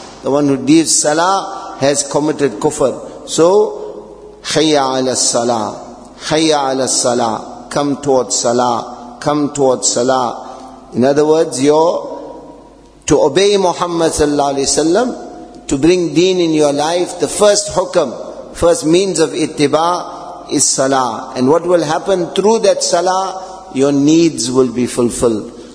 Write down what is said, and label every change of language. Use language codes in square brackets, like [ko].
[en] The one who leaves salah has committed kufr. So, [ar] حَيَّ عَلَى السَّلَاةِ. حَيَّ عَلَى السَّلَاةِ. [en] Come towards salah. Come towards salah. In other words, to obey Muhammad Sallallahu Alaihi Wasallam, to bring deen in your life, the first hukam, first means of ittiba, is salah. And what will happen through that salah? Your needs will be fulfilled.